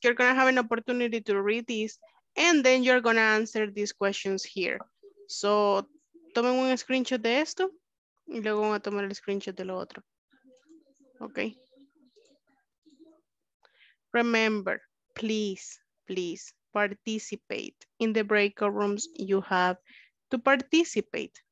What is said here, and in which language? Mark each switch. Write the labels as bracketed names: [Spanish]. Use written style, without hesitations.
[English] You're going to have an opportunity to read this. And then you're going to answer these questions here. [Spanish] So, tomen un screenshot de esto. Y luego van a tomar el screenshot de lo otro. [English] Okay. Remember, please, please participate in the breakout rooms you have to participate.